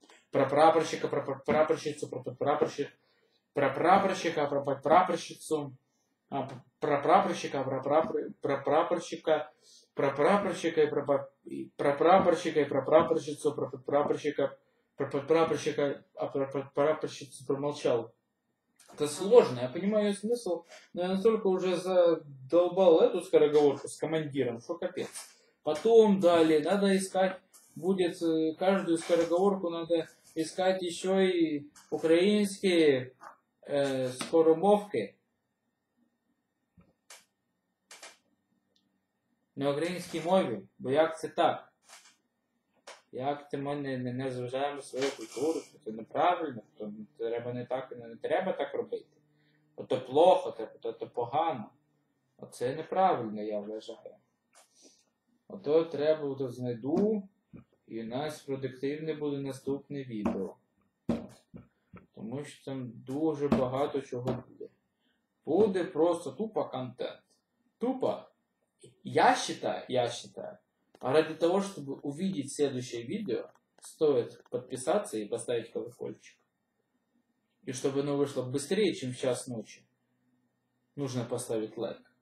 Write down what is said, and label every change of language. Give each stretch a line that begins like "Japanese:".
Russian: про прапорщика, про прапорщицу, про прапорщика, про прапорщика, про прапорщицу, про прапорщика, про прапорщика, про прапорщика про прапорщика и про прапорщицу, про прапорщика, про прапорщика, а про прапорщицу промолчал. Это сложно, я понимаю смысл, но я настолько уже задолбал эту скороговорку с командиром, что капец. Потом далее надо искать, будет каждую скороговорку надо искать еще и украинские скоромовки.
Ukrainian: На українській мові, бо як це так? Як ти ми не зважаємо свою культуру, то це неправильно, то треба не так, не треба так робити. Ото плохо, то погано. Оце неправильно, я вважаю. Ото треба то знайду, і у нас продуктивне буде наступне відео. Тому що там дуже багато чого буде. Буде просто тупо контент. Тупо.
Russian: Я считаю, а ради того, чтобы увидеть следующее видео, стоит подписаться и поставить колокольчик. И чтобы оно вышло быстрее, чем в час ночи, нужно поставить лайк.